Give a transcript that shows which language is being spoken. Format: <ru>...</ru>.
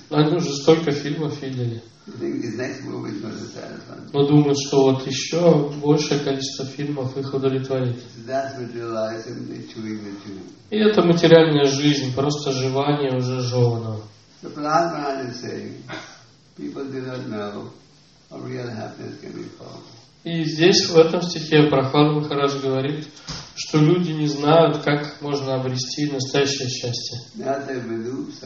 <ru>Они уже столько фильмов видели. Но думают, что вот еще большее количество фильмов их удовлетворит. И это материальная жизнь, просто жевание уже жеванного.</ru> <en>So Prahlad Maharaj is saying, people do not know how real happiness can be found.</en> <ru>И здесь, в этом стихе, Прохлад Махарадж говорит, что люди не знают, как можно обрести настоящее счастье.</ru>